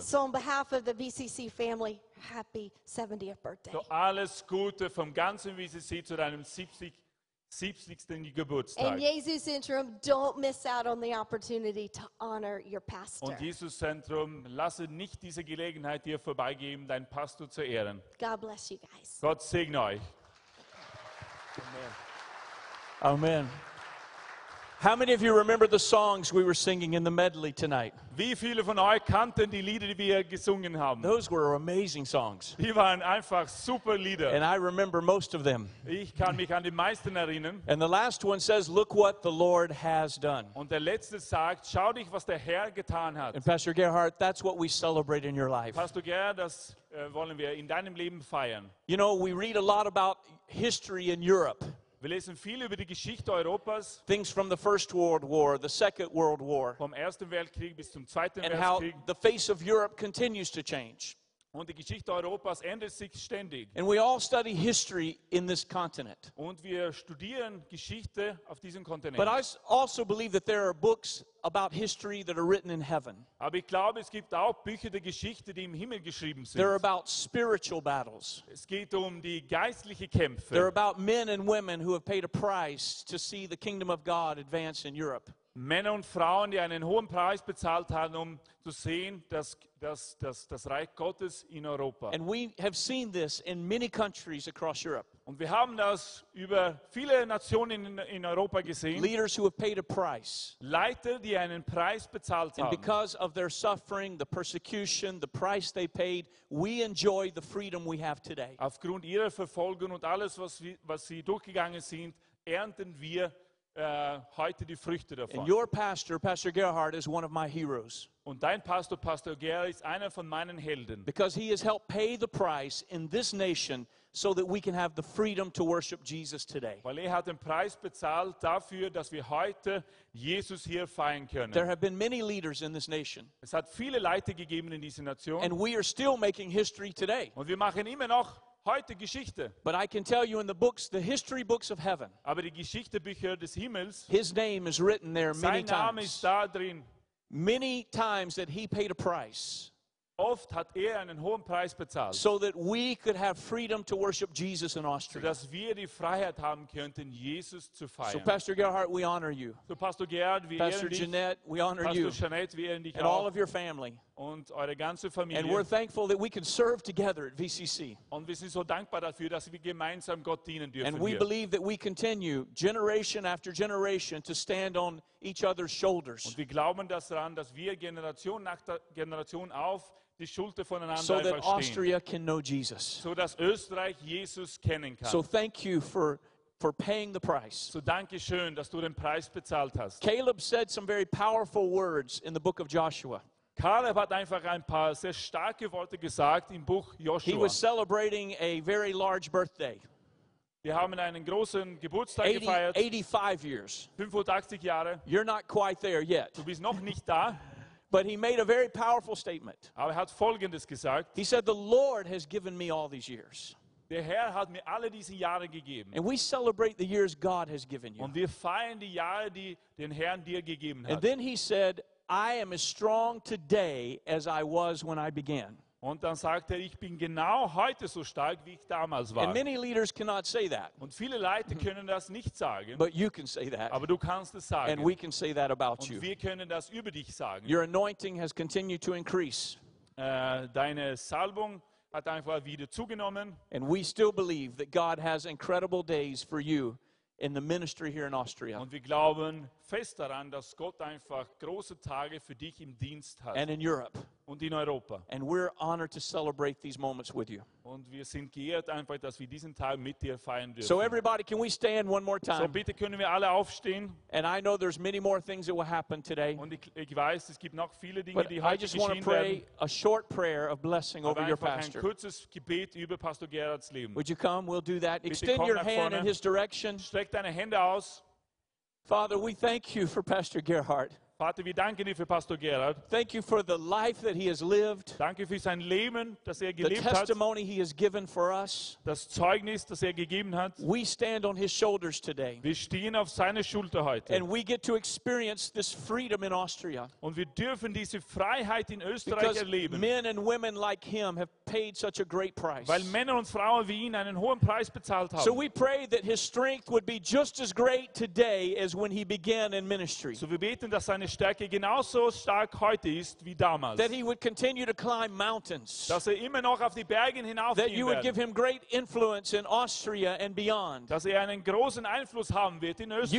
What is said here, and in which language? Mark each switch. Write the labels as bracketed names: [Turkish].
[English] So on behalf of the VCC family, happy 70th birthday. [German] So alles Gute vom ganzen VCC zu deinem 70. Geburtstag. [English] In Jesus Zentrum, don't miss out on the opportunity to honor your pastor. [German] Und Jesus Zentrum, lasse nicht diese Gelegenheit dir vorbeigehen, deinen Pastor zu ehren. [English] God bless you guys. [German] Gott segne euch. [English] Amen. Amen. How many of you remember the songs we were singing in the medley tonight? [German] Wie viele von euch kannten die Lieder, die wir gesungen haben? [English] Those were amazing songs. [German] Die waren einfach super Lieder. [English] And I remember most of them. [German] Ich kann mich an die meisten erinnern. [English] And the last one says, "Look what the Lord has done." [German] Und der letzte sagt, schau dich, was der Herr getan hat. [English] And Pastor Gerhard, that's what we celebrate in your life. [German] Pastor Gerhard, das wollen wir in deinem Leben feiern. [English] You know, we read a lot about history in Europe. [German] Wir lesen viel über die Geschichte Europas. [English] Things from the First World War, the Second World War. [German] Vom Ersten Weltkrieg bis zum Zweiten [English] and [German] Weltkrieg. [English] And how the face of Europe continues to change. [German] Und die Geschichte Europas ändert sich ständig. [English] And we all study history in this continent. [German] Und wir studieren Geschichte auf diesem Kontinent. [English] But I also believe that there are books about history that are written in heaven. [German] Aber ich glaube, es gibt auch Bücher der Geschichte, die im Himmel geschrieben sind. [English] They're about spiritual battles. [German] Es geht um die geistliche Kämpfe. [English] They're about men and women who have paid a price to see the kingdom of God advance in Europe. [German] Männer und Frauen, die einen hohen Preis bezahlt haben, um zu sehen, dass das Reich Gottes in Europa. [English] And we have seen this in many countries across Europe. [German] Und wir haben das über viele Nationen in Europa gesehen. [English] Leaders who have paid a price. [German] Leiter, die einen Preis bezahlt haben. [English] And because of their suffering, the persecution, the price they paid, we enjoy the freedom we have today. [German] Aufgrund ihrer Verfolgung und alles, was sie durchgegangen sind, ernten wir heute die Früchte davon. [English] And your pastor, Pastor Gerhard, is one of my heroes. [German] Und dein Pastor, Pastor Gerhard, ist einer von meinen Helden. [English] Because he has helped pay the price in this nation so that we can have the freedom to worship Jesus today. [German] Weil er hat den Preis bezahlt dafür, dass wir heute Jesus hier feiern können. [English] There have been many leaders in this nation. [German] Es hat viele Leiter gegeben in dieser Nation. [English] And we are still making history today. [German] Und wir machen immer noch heute Geschichte. [English] But I can tell you in the books, the history books of heaven. [German] Aber die Geschichtebücher des Himmels. [English] His name is written there many times. [German] Sein Name ist da drin. [English] Many times that he paid a price. [German] Oft hat er einen hohen Preis bezahlt. [English] So that we could have freedom to worship Jesus in Austria. [German] So dass wir die Freiheit haben könnten, Jesus zu feiern. [English] So Pastor Gerhard, we honor you. [German] So Pastor Gerhard, wir ehren dich. [English] Pastor Jeanette, we honor you. [German] Pastor Jeanette, wir ehren dich auch. [English] And all of your family. [German] Und eure ganze Familie. [English] And we're thankful that we can serve together at VCC. [German] Und wir sind so dankbar dafür, dass wir gemeinsam Gott dienen dürfen. [English] And we believe that we continue generation after generation to stand on each other's shoulders. [German] Und wir glauben daran, dass wir Generation nach Generation auf die Schulter voneinander stehen. [English] So that Austria can know Jesus. [German] So dass Österreich Jesus kennen kann. [English] So thank you for paying the price. [German] So danke schön, dass du den Preis bezahlt hast. [English] Caleb said some very powerful words in the book of Joshua. [German] Caleb hat einfach ein paar sehr starke Worte gesagt im Buch Joshua. [English] He was celebrating a very large birthday. [German] Wir haben einen großen Geburtstag 80, gefeiert. [English] 85 years. [German] 85 Jahre. [English] You're not quite there yet. [German] Du bist noch nicht da. [English] But he made a very powerful statement. [German] Aber er hat Folgendes gesagt. [English] He said, "The Lord has given me all these years." [German] Der Herr hat mir alle diese Jahre gegeben. [English] And we celebrate the years God has given you. [German] Und wir feiern die Jahre, die den Herrn dir gegeben hat. [English] And then he said, "I am as strong today as I was when I began." [German] Und dann sagte er, ich bin genau heute so stark, wie ich damals war. [English] And many leaders cannot say that. [German] Und viele Leute können das nicht sagen. [English] But you can say that. [German] Aber du kannst es sagen. [English] And we can say that about you. [German] Und wir können das über dich sagen. [English] Your anointing has continued to increase. [German] Deine Salbung hat einfach wieder zugenommen. [English] And we still believe that God has incredible days for you in the ministry here in Austria. [German] Und wir glauben fest daran, dass Gott einfach große Tage für dich im Dienst hat. [English] And in Europe. [German] Und in Europa. [English] And we're honored to celebrate these moments with you. [German] Und wir sind geehrt einfach, dass wir diesen Tag mit dir feiern dürfen. [English] So everybody, can we stand one more time? [German] So bitte können wir alle aufstehen. [English] And I know there's many more things that will happen today. [German] Und ich weiß, es gibt noch viele Dinge, [English] but [German] die heute geschehen werden. [English] I just want to pray a short prayer of blessing over your pastor. [German] Ein kurzes Gebet über Pastor Gerhards Leben. [English] Would you come? We'll do that. [German] Bitte [English] extend your hand [German] vorne. [English] In his direction. [German] Streck deine Hände aus. [English] Father, we thank you for Pastor Gerhard. [German] Vater, wir danken dir für Pastor Gerhard. [English] Thank you for the life that he has lived. [German] Danke für sein Leben, das er gelebt hat. [English] The testimony he has given for us. [German] Das Zeugnis, das er gegeben hat. [English] We stand on his shoulders today. [German] Wir stehen auf seine Schulter heute. [English] And we get to experience this freedom in Austria. [German] Und wir dürfen diese Freiheit in Österreich [English] because [German] erleben. [English] Men and women like him have paid such a great price. [German] Weil Männer und Frauen wie ihn einen hohen Preis bezahlt haben. [English] So we pray that his strength would be just as great today as when he began in ministry. [German] So wir beten, dass seine Stärke genauso stark heute ist wie damals. [English] That he would continue to climb mountains. [German] Dass er immer noch auf die Bergen hinaufgehen wird. [English] That you would give him great influence in Austria and beyond. [German] Dass er einen großen Einfluss haben wird in Österreich.